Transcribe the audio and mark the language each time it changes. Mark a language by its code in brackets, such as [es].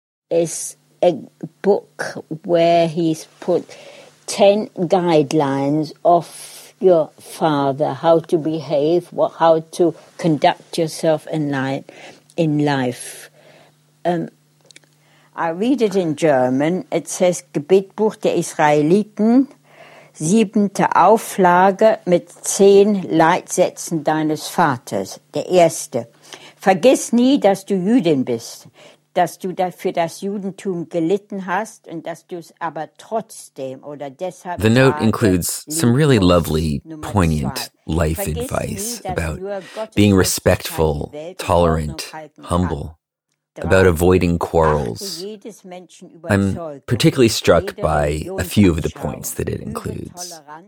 [en] It's a book where he's put 10 guidelines of your father, how to behave, how to conduct yourself in life. I read it in German. It says, [de] Gebetbuch der Israeliten, siebente Auflage mit 10 Leitsätzen deines Vaters. Der erste. Vergiss nie, dass du Jüdin bist, dass du dafür das Judentum gelitten hast und dass du es aber trotzdem oder deshalb... [en] The note includes some really lovely, poignant life advice about being respectful, tolerant, humble, about avoiding quarrels. I'm particularly struck by a few of the points that it includes.